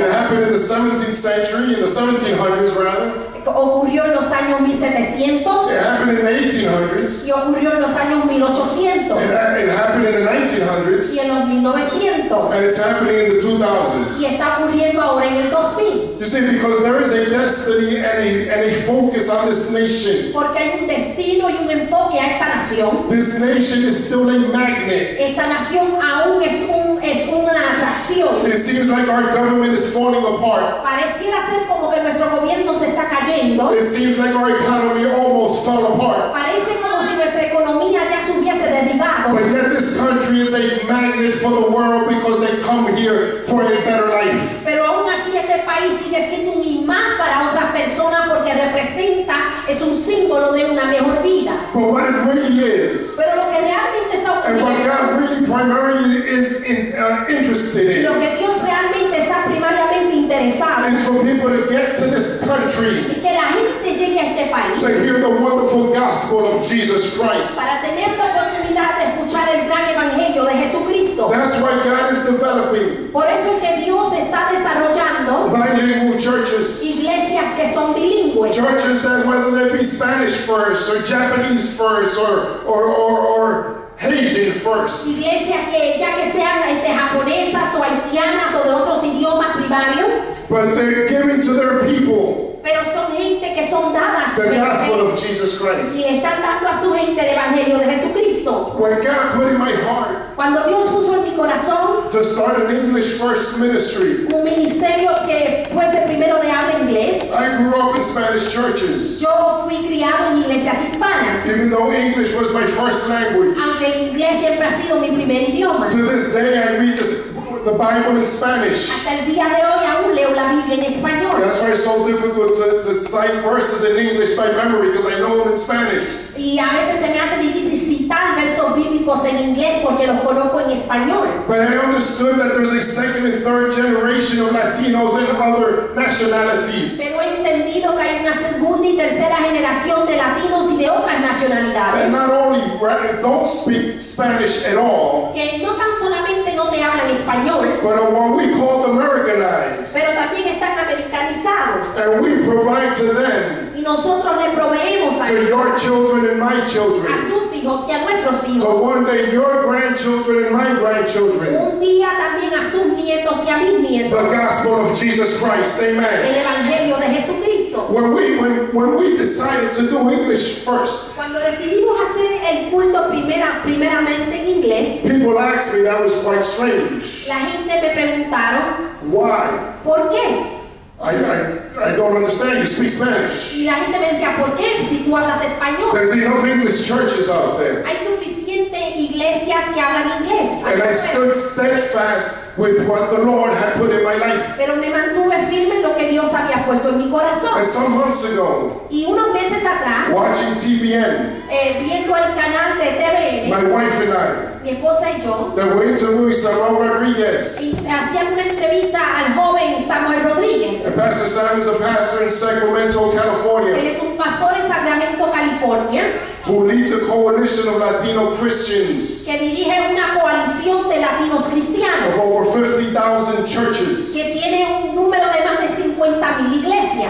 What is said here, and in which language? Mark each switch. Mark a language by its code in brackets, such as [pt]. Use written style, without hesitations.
[en] It happened in the 1700s, rather. [es] ocurrió en los años 1700. [en] It happened in the 1800s. [es] Y ocurrió en los años 1800. [en] It happened in the 1900s. [es] Y en los 1900. [en] And it's happening in the 2000s. [es] Y está ocurriendo ahora en el 2000. [en] You see, because there is a destiny and a focus on this nation. [es] Porque hay un destino y un enfoque a esta nación. [en] This nation is still a magnet. [es] Esta nación aún es una atracción. [en] It seems like our government is falling apart. [es] Pareciera ser como que nuestro gobierno se está cayendo. [en] It seems like our economy almost fell apart. [es] Parece como si nuestra economía ya se hubiese derribado. [en] But yet this country is a magnet for the world because they come here for a better life. [es] Pero aún así este país sigue siendo un imán para otras personas porque representa, es un símbolo de una mejor vida. [en] But what it really is. [es] Pero lo que realmente está ocurriendo. [en] And what God really primarily is interested in. [es] Lo que Dios realmente está primariamente interesado. [en] Is for people to get to this country. [es] Es que la gente llegue a este país. [en] To hear the wonderful gospel of Jesus Christ. [es] Para tener la oportunidad de escuchar el gran evangelio de Jesucristo. [en] That's why God is developing. [es] Por eso es que Dios está desarrollando. [en] Bilingual churches. [es] Iglesias que son bilingües. [en] Churches that whether they be Spanish first or Japanese first or Haitian first. [es] Iglesias que ya que sean japonesas o haitianas o de otros idiomas primarios. [en] But they're giving to their people. [es] Pero son gente que son dadas. [en] The gospel of Jesus Christ. [es] Y están dando a su gente el evangelio de Jesucristo. [en] When God put in my heart. [es] Cuando Dios puso en mi corazón. [en] To start an English first ministry. [es] Un ministerio que fuese primero de habla inglés. [en] I grew up in Spanish churches. [es] Yo fui criado en iglesias hispanas. [en] Even though English was my first language. [es] Aunque el inglés siempre ha sido mi primer idioma. [en] To this day I read the Bible in Spanish. [es] Hasta el día de hoy aún leo la Biblia en español. [en] That's why it's so difficult to cite verses in English by memory because I know them in Spanish. [es] Y a veces se me hace difícil citar versos bíblicos en inglés porque los conozco en español. [en] But I understood that there's a second and third generation of Latinos and other nationalities. [es] Pero he entendido que hay una segunda y tercera generación de latinos y de otras nacionalidades. [en] And not only don't speak Spanish at all. [es] Que no tan solamente no te hablan español. [en] But are what we call Americanized. [es] Pero también están americanizados. [en] And we provide to them. [es] Y nosotros le proveemos a [en] your children and my children. [es] A sus hijos y a nuestros hijos. [en] So one day your grandchildren and my grandchildren. [es] Un día también a sus nietos y a mis nietos. [en] The gospel of Jesus Christ. Amen. [es] El evangelio de Jesucristo. [en] When we decided to do English first. [es] Cuando decidimos hacer el culto primeramente en inglés. [en] People asked me, that was quite strange. [es] La gente me preguntaron. [en] Why? [es] ¿Por qué? [en] I don't understand. You speak Spanish. [es] Y la gente me decía, ¿por qué? Si tú hablas español. [en] There's enough English churches out there. [es] Hay suficiente iglesias que hablan inglés. [en] And I stood steadfast with what the Lord had put in my life. [es] Pero me mantuve firme en lo que Dios había puesto en mi corazón. [en] And some months ago. [es] Y unos meses atrás. [en] Watching TBN. [es] Viendo el canal de TVN. [en] My wife and I. [es] Mi esposa y yo. [en] They were interviewing Samuel Rodriguez. [es] Y hacían una entrevista al joven Samuel Rodriguez. [en] And Pastor Sam is a pastor in Sacramento, California. [es] Él es un pastor en Sacramento, California. [en] Who leads a coalition of Latino Christians. [es] Que dirige una coalición de latinos cristianos. [en] Of over 50,000 churches. [es] Que tiene un número de más de 50,000 iglesias.